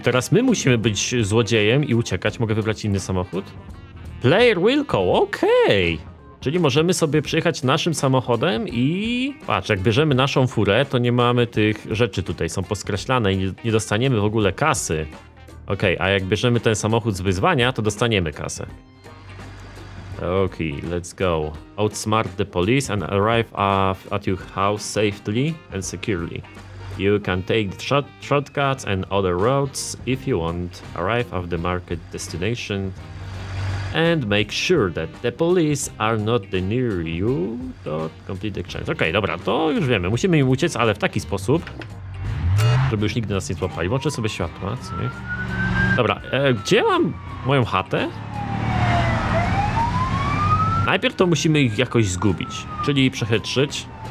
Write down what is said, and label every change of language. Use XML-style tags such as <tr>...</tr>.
<pl>Teraz my musimy być złodziejem i uciekać. Mogę wybrać inny samochód? Player Wilco. Okej. Okay. Czyli możemy sobie przyjechać naszym samochodem i... Patrz, jak bierzemy naszą furę, to nie mamy tych rzeczy tutaj. Są poskreślane i nie dostaniemy w ogóle kasy. Okej, okay. A jak bierzemy ten samochód z wyzwania, to dostaniemy kasę.</pl> <en>Okay, let's go. Outsmart the police and arrive at your house safely and securely. You can take shortcuts and other routes if you want. Arrive at the market destination and make sure that the police are not near you. Don't complete the challenge. Okay,</en> <pl>dobra, to już wiemy. Musimy im uciec, ale w taki sposób, żeby już nigdy nas nie złapali. Włączę sobie światła, co nie? Dobra, gdzie mam moją chatę? Najpierw to musimy ich jakoś zgubić, czyli przechytrzyć.</pl>